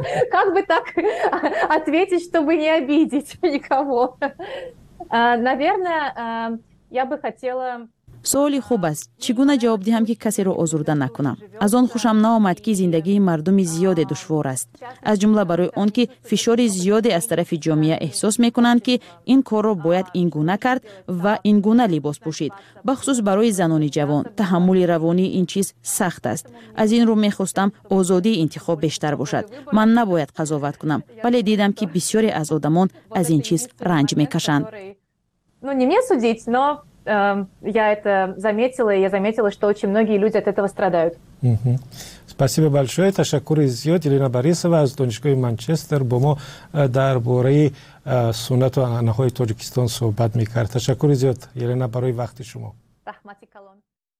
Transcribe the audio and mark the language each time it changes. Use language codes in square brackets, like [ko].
[ru] Как бы так ответить, чтобы не обидеть никого? Наверное, я бы хотела... [fa] سوالی خوب است. چگونه جواب دهم که کسی را آزرده نکنم؟ از آن خوشم نآمد که زندگی مردم زیاد دشوار است. از جمله برای آن که فشار زیاد از طرف جامعه احساس میکنند که این کار را باید این گونه کرد و این گونه لباس پوشید. بخصوص برای زنان جوان، تحمل روانی این چیز سخت است. از این رو میخواستم آزادی انتخاب بیشتر باشد. من نباید قضاوت کنم، ولی دیدم که بسیاری از آدمان از این چیز رنج میکشند. [ru] Я это заметила, и я заметила, что очень многие люди от этого страдают. Спасибо большое. [tg] Это Шакур Изиот, Елена Борисова, из Донечкой Манчестер. Бомо дарборы сунату анахой Таджикистан собат микар. Шакур Изиот, Елена Борисова, вахты шумо. Рахмати колон.